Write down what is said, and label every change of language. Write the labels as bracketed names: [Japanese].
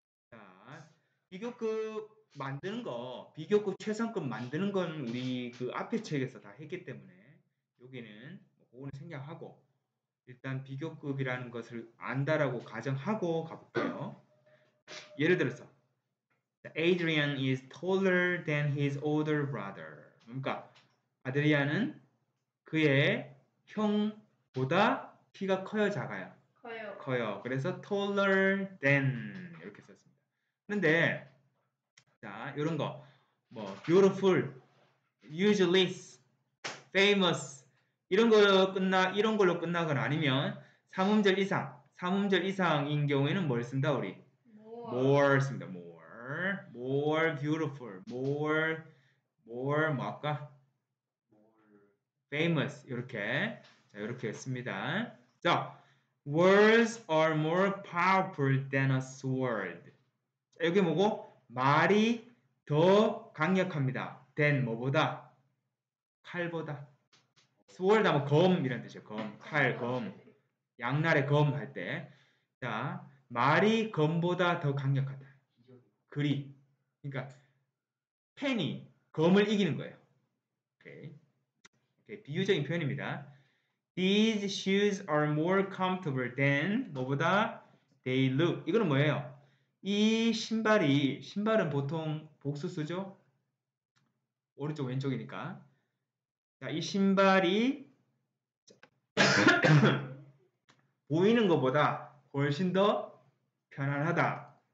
[Korean] 자, 비교급 만드는 거, 비교급 최상급 만드는 건 우리 그 앞에 책에서 다 했기 때문에 여기는 그거는 생략하고 일단 비교급이라는 것을 안다라고 가정하고 가볼게요. 예를 들어서 [English] Adrian is taller than his older brother. [Korean] 그러니까 아드리안은 그의 형보다 키가 커요, 작아요? 커요. 커요. 그래서 [English] taller than [Korean] 이렇게 썼습니다. 그런데 자, 이런 거 뭐 beautiful, usually famous 이런 걸로 끝나 이런 걸로 끝나거나 아니면 삼음절 이상, 삼음절 이상인 경우에는 뭘 쓴다 우리? [English] more [Korean] 씁니다. [English] more beautiful, [Korean] more 뭐 할까? famous 이렇게 자 이렇게 했습니다. [English] 자 words are more powerful than a sword. [Korean] 자, 여기 뭐고 말이 더 강력합니다. than 뭐보다 칼보다 sword 하면 검 이런 뜻이에요. 검 칼 검 양날의 검 할 때 자 말이 검보다 더 강력하다. 그리 그러니까 펜이 검을 이기는 거예요. 오케이. 오케이. 비유적인 표현입니다. [English] These shoes are more comfortable than [Korean] 뭐보다 [English] they look. [Korean] 이거는 뭐예요? 이 신발이 신발은 보통 복수수죠? 오른쪽 왼쪽이니까. 자, 이 신발이 보이는 것보다 훨씬 더 편안하다.